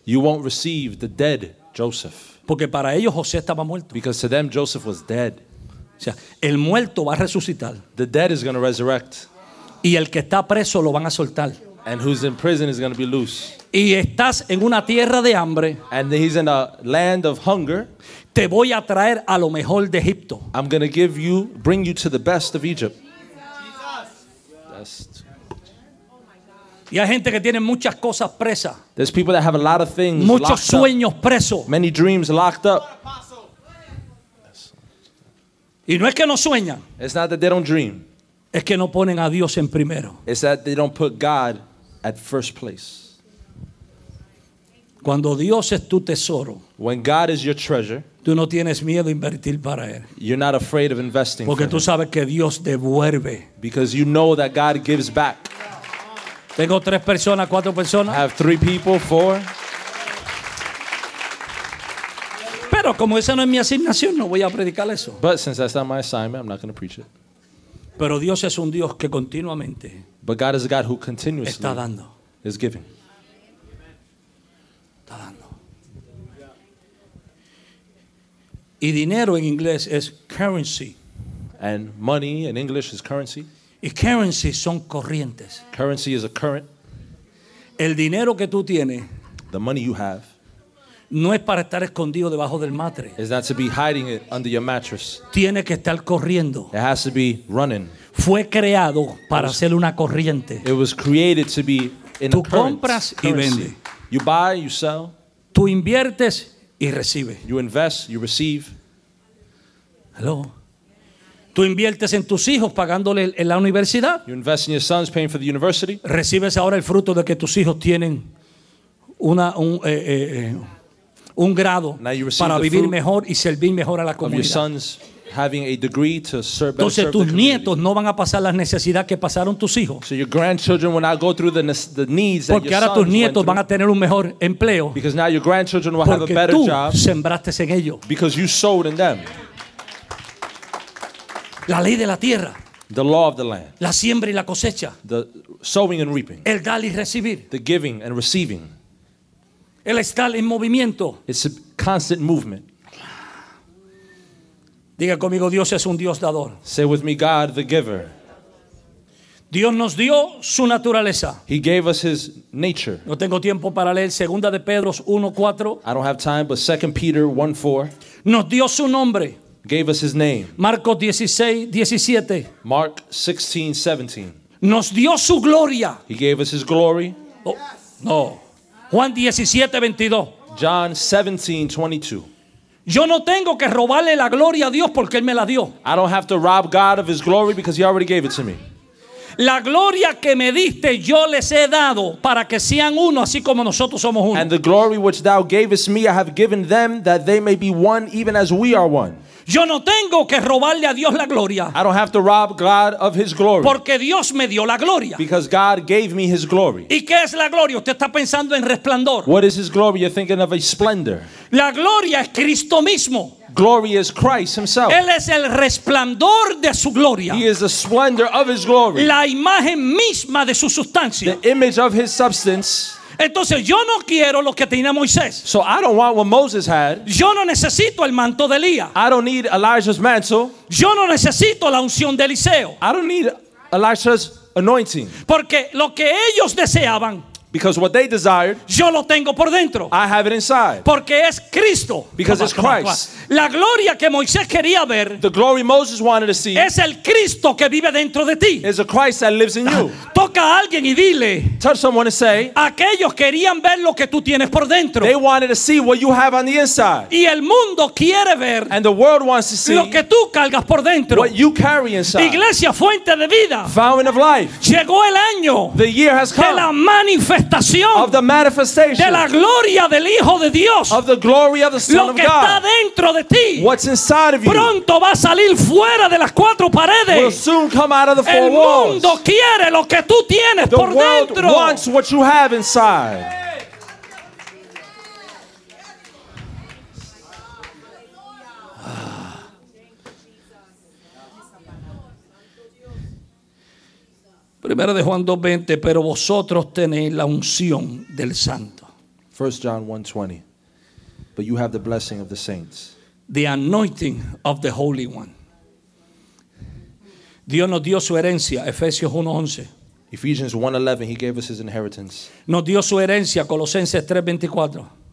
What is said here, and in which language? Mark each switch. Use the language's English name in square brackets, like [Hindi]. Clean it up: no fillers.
[English] You won't receive the dead Joseph. [Spanish] Porque para ellos José estaba muerto. [English] Because to them Joseph was dead. [Spanish] O sea, el muerto va a resucitar. [English] The dead is going to resurrect. [Spanish] Y el que está preso lo van a soltar. [English] And who's in prison is going to be loose. [Spanish] Y estás en una tierra de hambre. [English] And he's in a land of hunger. [Spanish] Te voy a traer a lo mejor de Egipto. [English] I'm going to give you, bring you to the best of Egypt. Best. [Spanish] Y hay gente que tiene muchas cosas presas. [English] There's people that have a lot of things. [Spanish] Muchos sueños presos. [English] Many dreams locked up. [Spanish] Y no es que no sueñan. [English] It's not that they don't dream. [Spanish] Es que no ponen a Dios en primero. [English] It's that they don't put God at first place. [Spanish] Cuando Dios es tu tesoro. [English] When God is your treasure. [Spanish] Tú no tienes miedo a invertir para él. [English] You're not afraid of investing. [Spanish] Porque tú sabes que Dios devuelve. [English] Because you know that God gives back. [Spanish] Tengo tres personas, cuatro personas. [English] I have three people, four. [Spanish] Pero como esa no es mi asignación, no voy a predicar eso. [English] But since that's not my assignment, I'm not going to preach it. [Spanish] Pero Dios es un Dios que continuamente. [English] But God is a God who continuously [Spanish] está dando. [English] Is giving. [Spanish] Está dando. Y dinero en inglés es currency. [English] And money in English is currency. [Spanish] Y currency son corrientes. [English] Currency is a current. [Spanish] El dinero que tú tienes. [English] The money you have. [Spanish] No es para estar escondido debajo del matre. [English] Is not to be hiding it under your mattress. [Spanish] Tiene que estar corriendo. [English] It has to be running. [Spanish] Fue creado para ser una corriente. [English] It was created to be in a [Spanish] tú compras y vendes. [English] You buy, you sell. [Spanish] Tú inviertes y recibes. [English] You invest, you receive. Hello. [Spanish] Tú inviertes en tus hijos pagándole en la universidad. [English] You invest in your sons paying for the university. [Spanish] Recibes ahora el fruto de que tus hijos tienen un grado para vivir mejor y servir mejor a la comunidad. [English] Your sons having a degree to serve better. [Spanish] Entonces tus nietos no van a pasar las necesidades que pasaron tus hijos. [English] So your grandchildren will not go through the needs that your sons. [Spanish] Porque ahora tus nietos van a tener un mejor empleo. [English] Because now your grandchildren will have a better job. [Spanish] Porque tú sembraste en ellos. [English] Because you sowed in them. [Spanish] La ley de la tierra. [English] The law of the land. [Spanish] La siembra y la cosecha. [English] The sowing and reaping. [Spanish] El dar y recibir. [English] The giving and receiving. [Spanish] El estar en movimiento. [English] It's a constant movement. [Spanish] Diga conmigo, Dios es un Dios dador. [English] Say with me, God the giver. [Spanish] Dios nos dio su naturaleza. [English] He gave us his nature. [Spanish] No tengo tiempo para leer Segunda de Pedro 1:4. [English] I don't have time, but 2 Peter 1:4. [Spanish] Nos dio su nombre. [English] Gave us his name. [Spanish] Marcos 16:17. [English] Mark 16:17. [Spanish] Nos dio su gloria. [English] He gave us his glory. Oh, yes. [Spanish] No. Juan 17:22. [English] John 17:22. [Spanish] Yo no tengo que robarle la gloria a Dios porque él me la dio. [English] I don't have to rob God of his glory because he already gave it to me. [Spanish] La gloria que me diste yo les he dado para que sean uno así como nosotros somos uno. [English] And the glory which thou gavest me I have given them that they may be one even as we are one. [Spanish] Yo no tengo que robarle a Dios la gloria. [English] I don't have to rob God of his glory. [Spanish] Porque Dios me dio la gloria. [English] Because God gave me his glory. [Spanish] ¿Y qué es la gloria? Usted está pensando en resplandor. [English] What is his glory? You're thinking of a splendor. [Spanish] La gloria es Cristo mismo. [English] Glory is Christ himself. [Spanish] Él es el resplandor de su gloria. [English] He is the splendor of his glory. [Spanish] La imagen misma de su sustancia. [English] The image of his substance. [Spanish] Entonces yo no quiero lo que tenía Moisés. [English] So I don't want what Moses had. [Spanish] Yo no necesito el manto de Elías. [English] I don't need Elijah's mantle. [Spanish] Yo no necesito la unción de Eliseo. [English] I don't need Elijah's anointing. [Spanish] Porque lo que ellos deseaban. [English] Because what they desired, [Spanish] yo lo tengo por dentro. [English] I have it inside. [Spanish] Porque es Cristo. [English] Because it's Christ. [Spanish] La gloria que Moisés quería ver, [English] the glory Moses wanted to see, [Spanish] es el Cristo que vive dentro de ti. [English] Is a Christ that lives in you. [Spanish] Toca a alguien y dile, [English] touch someone and say, [Spanish] aquellos querían ver lo que tú tienes por dentro. [English] They wanted to see what you have on the inside. [Spanish] Y el mundo quiere ver, [English] and the world wants to see, [Spanish] lo que tú cargas por dentro. [English] What you carry inside. [Spanish] Iglesia, fuente de vida. [English] Fountain of life. [Spanish] Llegó el año. [English] The year has come. [Spanish] De la manifestación. [English] Of the manifestation. [Spanish] De la gloria del Hijo de Dios. [English] Of the glory of the Son of God. [Spanish] Lo que está dentro de ti. [English] What's inside of you. [Spanish] Pronto va a salir fuera de las cuatro paredes. [English] Will soon come out of the four walls. [Spanish] El mundo quiere lo que tú tienes por dentro. [English] The world wants what you have inside. [Spanish] Primero de Juan 2:20, pero vosotros tenéis la unción del santo. [English] 1 John 1:20. But you have the blessing of the saints. The anointing of the holy one. [Spanish] Dios nos dio su herencia, Efesios 1:11. [English] Ephesians 1:11, he gave us his inheritance. [Spanish] Nos dio su herencia, Colosenses 3:24.